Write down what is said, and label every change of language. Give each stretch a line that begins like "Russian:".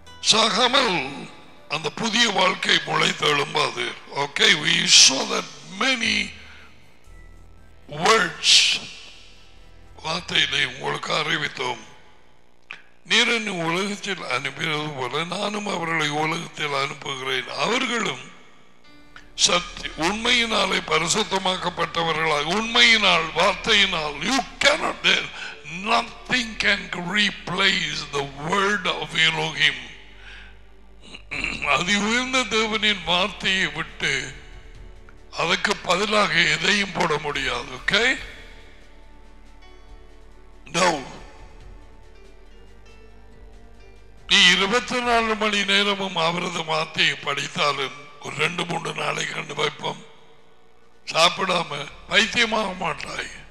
Tamil: சாகாமல் அந்த புதிய வாழ்க்கை முளைத்தெழும்பாது.
English: okay, we saw that many words
Tamil: வார்த்தையிலே உங்களுக்கு அறிவித்தோம். நீர் என்னை உலகத்தில் அனுப்பினது போல நானும் அவர்களை உலகத்தில் அனுப்புகிறேன். அவர்களும் சத்திய உண்மையினாலே பரிசுத்தமாக்கப்பட்டவர்களாக, உண்மையினால், வார்த்தையினால்,
English: you cannot, there nothing can replace the word of Elohim.
Tamil: அதி உயர்ந்த தேவனின் வார்த்தையை விட்டு அதற்கு பதிலாக எதையும் போட முடியாது. ஓகே, நீ 24 மணி நேரமும் அவரது வார்த்தையை படித்தாலும் ஒரு 2-3 நாளை கண்டு வைப்போம், சாப்பிடாம பைத்தியமாக மாட்டாய்.